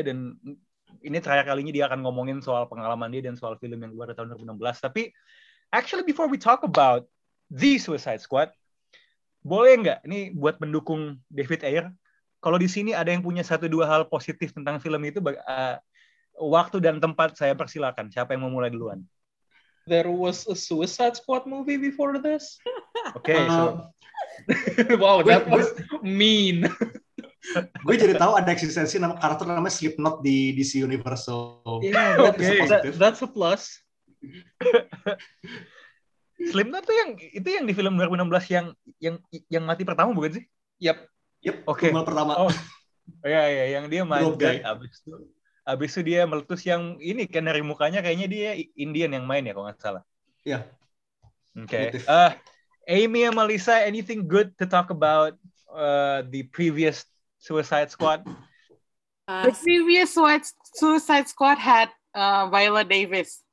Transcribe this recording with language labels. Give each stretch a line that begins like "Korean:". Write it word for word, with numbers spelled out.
Indonesian: Dan ini terakhir kalinya dia akan ngomongin soal pengalaman dia dan soal film yang keluar tahun dua ribu enam belas. Tapi
English: actually before we talk about The Suicide Squad,
Indonesian: boleh nggak ini buat pendukung David Ayer, kalau di sini ada yang punya satu dua hal positif tentang film itu, uh, waktu dan tempat saya persilakan. Siapa yang mau mulai duluan?
English: There was a Suicide Squad movie before this. Oke, okay, so uh, wow, that was mean.
Indonesian: Gue jadi tahu ada eksistensi nama karakter namanya Slipknot di D C Universe. So
English: yeah, that okay. that, that's a plus.
Indonesian: Slipknot tuh yang itu yang di film dua ribu enam belas yang yang yang mati pertama bukan sih? Yap, yap. Oke. Okay. Pertama. Oh, ya ya, yang dia main abis itu. Abis itu dia meletus yang ini kan dari mukanya kayaknya dia Indian yang main ya kalau nggak salah. Iya.
English: Yeah. Oke. Okay. Uh, Amy sama Lisa, anything good to talk about uh, the previous Suicide Squad? Uh, the previous Suicide Squad had uh, Viola Davis.